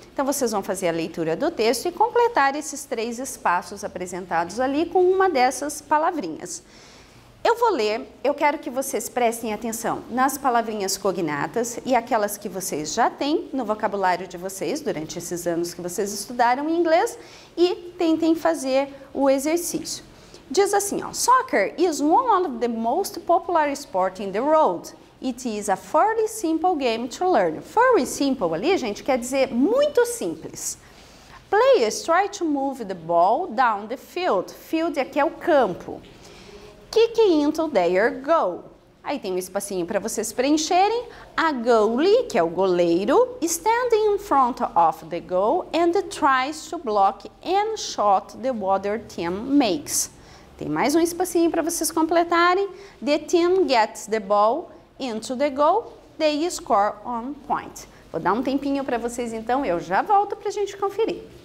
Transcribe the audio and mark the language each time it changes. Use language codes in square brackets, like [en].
[pt] Então, vocês vão fazer a leitura do texto e completar esses três espaços apresentados ali com uma dessas palavrinhas. Eu vou ler, eu quero que vocês prestem atenção nas palavrinhas cognatas e aquelas que vocês já têm no vocabulário de vocês durante esses anos que vocês estudaram inglês e tentem fazer o exercício. Diz assim, ó, [en] soccer is one of the most popular sports in the world. It is a fairly simple game to learn. [pt] Fairly simple ali, gente, quer dizer muito simples. [en] Players try to move the ball down the field. [pt] Field aqui é o campo. [en] Kick into their goal. [pt] Aí tem um espacinho para vocês preencherem. [en] A goalie, [pt] que é o goleiro, [en] standing in front of the goal and tries to block any shot the other team makes. [pt] Tem mais um espacinho para vocês completarem. [en] The team gets the ball into the goal. They score on point. [pt] Vou dar um tempinho para vocês então, eu já volto para a gente conferir.